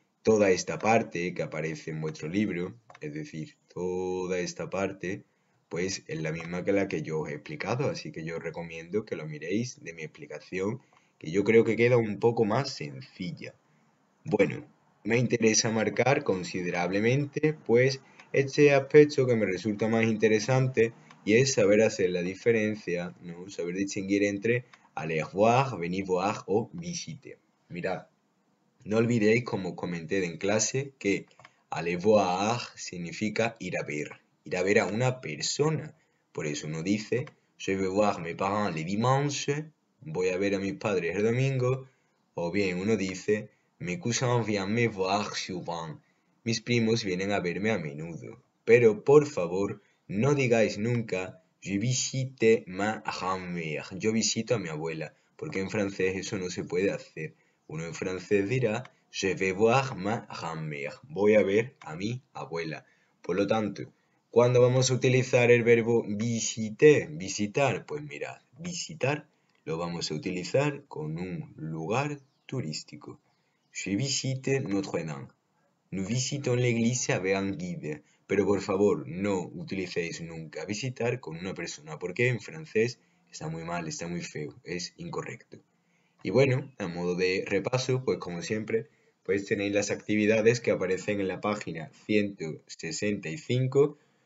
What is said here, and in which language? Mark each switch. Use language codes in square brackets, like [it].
[es] Toda esta parte que aparece en vuestro libro, es decir, toda esta parte, pues es la misma que la que yo os he explicado, así que yo os recomiendo que lo miréis de mi explicación, que yo creo que queda un poco más sencilla. Bueno, me interesa marcar considerablemente, pues, este aspecto que me resulta más interesante y es saber hacer la diferencia, ¿no? Saber distinguir entre aller voir, venir voir o visiter. Mirad, no olvidéis, como comenté en clase, que aller voir significa ir a ver a una persona. Por eso uno dice, [fr] je vais voir mes parents le dimanche, [es] voy a ver a mis padres el domingo, o bien uno dice, [fr] mes cousins viennent me voir souvent, [es] mis primos vienen a verme a menudo. Pero por favor, no digáis nunca, [fr] je visite ma grand-mère, [es] yo visito a mi abuela, porque en francés eso no se puede hacer. Uno en francés dirá, [fr] je vais voir ma grand-mère, [es] voy a ver a mi abuela. Por lo tanto, ¿cuándo vamos a utilizar el verbo visiter, visitar? Pues mirad, visitar lo vamos a utilizar con un lugar turístico. [fr] Je visite Notre-Dame. Nous visitons l'église avec un guide. [es] Pero por favor, no utilicéis nunca visitar con una persona, porque en francés está muy mal, está muy feo, es incorrecto. Y bueno, a modo de repaso, pues como siempre, pues tenéis las actividades que aparecen en la página 165.